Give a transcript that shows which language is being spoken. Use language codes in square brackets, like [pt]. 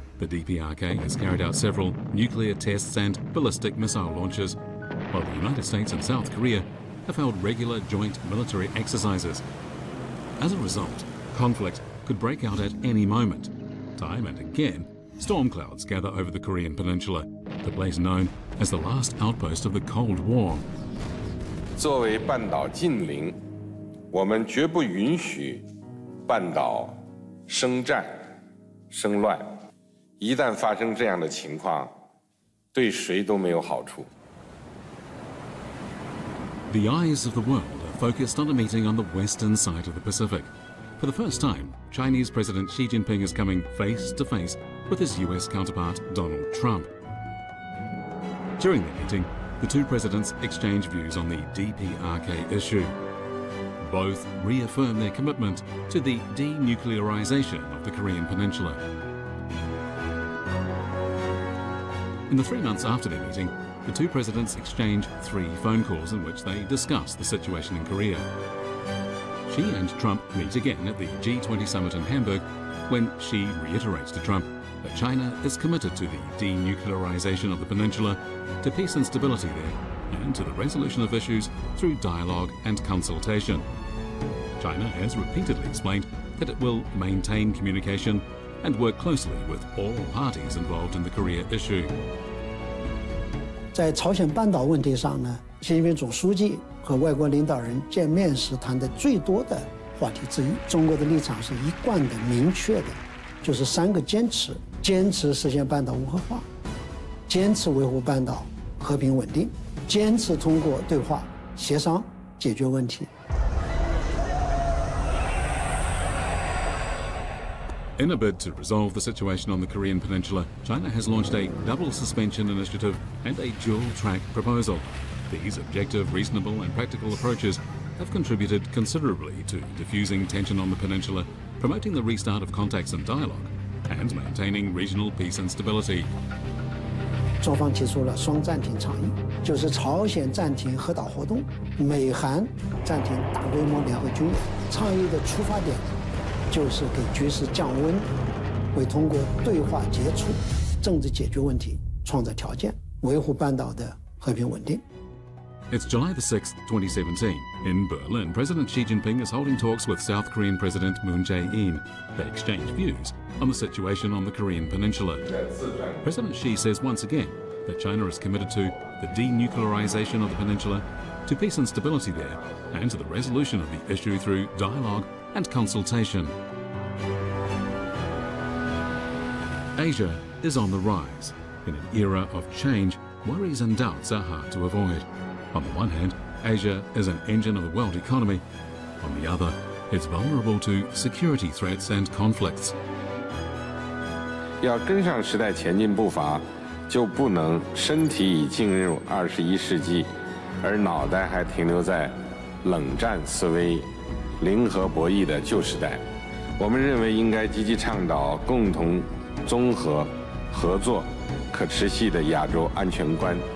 [en] The DPRK has carried out several nuclear tests and ballistic missile launches, while the United States and South Korea have held regular joint military exercises. As a result, conflict could break out at any moment. Time and again, storm clouds gather over the Korean Peninsula, the place known as the last outpost of the Cold War. [zh] 作为半岛近邻，我们绝不允许半岛生战生乱，一旦发生这样的情况，对谁都没有好处。 [en] The eyes of the world are focused on a meeting on the western side of the Pacific. For the first time, Chinese President Xi Jinping is coming face to face with his US counterpart Donald Trump. During the meeting, the two presidents exchange views on the DPRK issue. Both reaffirm their commitment to the denuclearization of the Korean Peninsula. In the 3 months after their meeting, the two presidents exchange 3 phone calls in which they discuss the situation in Korea. Xi and Trump meet again at the G20 summit in Hamburg, when Xi reiterates to Trump that China is committed to the denuclearization of the peninsula, to peace and stability there, and to the resolution of issues through dialogue and consultation. China has repeatedly explained that it will maintain communication and work closely with all parties involved in the Korea issue. [zh] 在朝鲜半岛问题上呢，习近平总书记和外国领导人见面时谈的最多的话题之一，中国的立场是一贯的明确的，就是三个坚持：坚持实现半岛无核化，坚持维护半岛和平稳定，坚持通过对话协商解决问题。 [en] In a bid to resolve the situation on the Korean Peninsula, China has launched a double suspension initiative and a dual-track proposal. These objective, reasonable, and practical approaches have contributed considerably to diffusing tension on the peninsula, promoting the restart of contacts and dialogue, and maintaining regional peace and stability. [zh] 中方提出了双暂停倡议，就是朝鲜暂停核岛活动，美韩暂停大规模联合军演。倡议的出发点就是给局势降温，为通过对话接触政治解决问题创造条件，维护半岛的和平稳定。 [en] It's July the 6th, 2017. In Berlin, President Xi Jinping is holding talks with South Korean President Moon Jae-in. They exchange views on the situation on the Korean Peninsula. President Xi says once again that China is committed to the denuclearization of the peninsula, to peace and stability there, and to the resolution of the issue through dialogue and consultation. Asia is on the rise. In an era of change, worries and doubts are hard to avoid. On the one hand, Asia is an engine of the world economy. On the other, it's vulnerable to security threats and conflicts. [zh] 要跟上时代前进步伐，就不能身体已进入21世纪，而脑袋还停留在冷战思维、零和博弈的旧时代。我们认为应该积极倡导共同、综合、合作、可持续的亚洲安全观。